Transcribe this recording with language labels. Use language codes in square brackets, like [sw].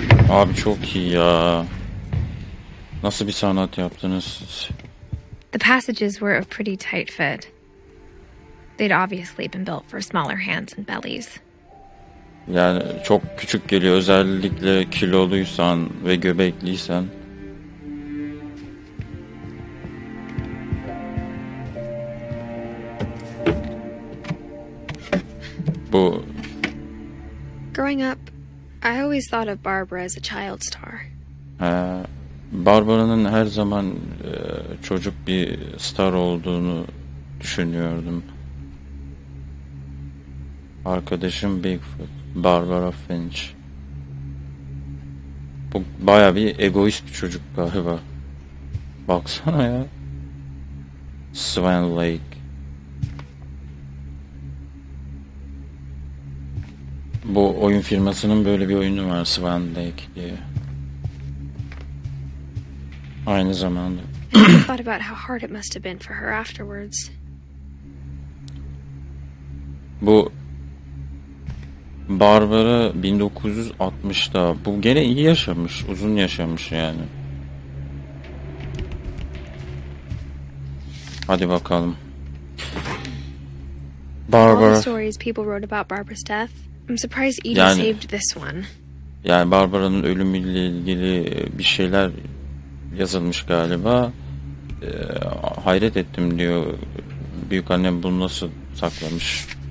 [tr] Abi çok iyi ya. Nasıl bir sanat yaptınız? [en] The passages were a pretty tight fit. They'd obviously been built for smaller hands and bellies. [tr] Yani çok küçük geliyor, özellikle kiloluysan ve göbekliysen. Bu. [en] Growing up, I always thought of Barbara as a child star. [tr] Barbara'nın her zaman çocuk bir star olduğunu düşünüyordum. Arkadaşım Bigfoot, Barbara Finch. Bu bayağı bir egoist bir çocuk galiba. Baksana ya. Swan Lake. Bu oyun firmasının böyle bir oyunu var, Swan Lake diye. Aynı zamanda. [en] Thought about how hard it must have been for her afterwards. [tr] Bu Barbara 1960'da, bu gene iyi yaşamış, uzun yaşamış yani. Hadi bakalım. Barbara. [en] All the stories people wrote about Barbara's death. I'm surprised Edie yani, saved this one. [tr] Yani Barbara'nın ölümüyle ilgili bir şeyler yazılmış galiba. Hayret ettim diyor. Büyük annem bunu nasıl saklamış?